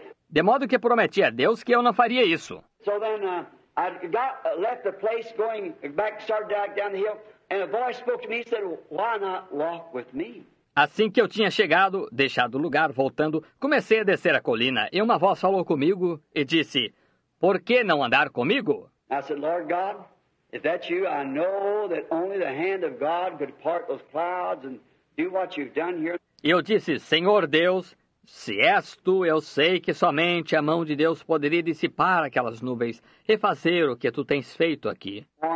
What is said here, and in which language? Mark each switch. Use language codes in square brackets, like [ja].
[pt] De modo que prometi a Deus que eu não faria isso. [en] I got left the place, going back, started back down the hill, and a voice spoke to me and said, "Why not walk with me?" [pt] Assim que eu tinha chegado, deixado o lugar, voltando, comecei a descer a colina. E uma voz falou comigo e disse, "Por que não andar comigo?" [en] I said, "Lord God, if that's you, I know that only the hand of God could part those clouds and do what you've done here." [pt] E eu disse, "Senhor Deus, se és tu, eu sei que somente a mão de Deus poderia dissipar aquelas nuvens, refazer o que tu tens feito aqui."